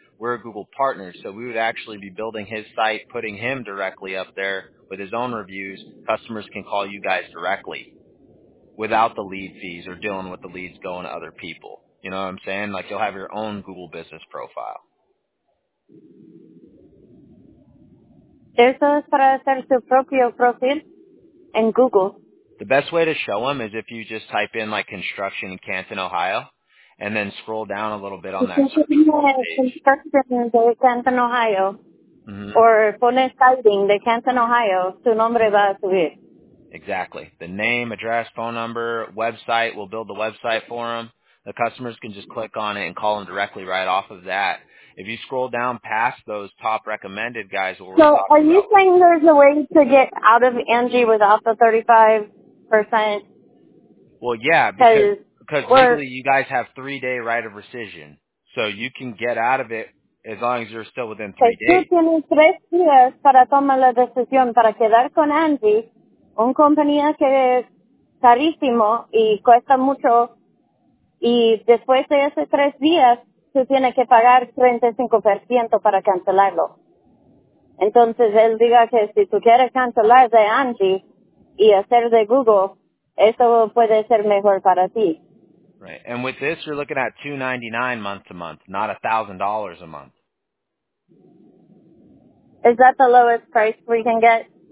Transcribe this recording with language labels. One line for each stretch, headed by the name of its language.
English: We're a Google partner, so we would actually be building his site, putting him directly up there with his own reviews. Customers can call you guys directly without the lead fees or dealing with the leads going to other people. You know what I'm saying? Like, you'll have your own Google business profile.
Spanish: Eso es para hacer su propio profil en Google.
English: The best way to show them is if you just type in, like, construction in Canton, Ohio, and then scroll down a little bit on that.
Spanish: Construction de Canton, Ohio. Mm-hmm. Or pones siding de Canton, Ohio. Su nombre va a subir.
English: Exactly. The name, address, phone number, website. We'll build the website for them. The customers can just click on it and call them directly right off of that. If you scroll down past those top recommended guys, what we're talking about. So are you saying there's a way to get out of Angie without the 35%? Well, yeah, because legally you guys have 3-day right of rescission. So you can get out of it as long as you're still within 3 days.
Spanish: Si tienes 3 días para tomar la decisión para quedar con Angie, un compañía que es carísimo y cuesta mucho. Y después de esos 3 días, tú tienes que pagar 35% para cancelarlo. Entonces, él diga que si tú quieres cancelar de Angie y hacer de Google, eso puede ser mejor para ti.
English: Right. And with this, you're looking at $299 month to month, not $1,000 a month. Is that the lowest price we can get?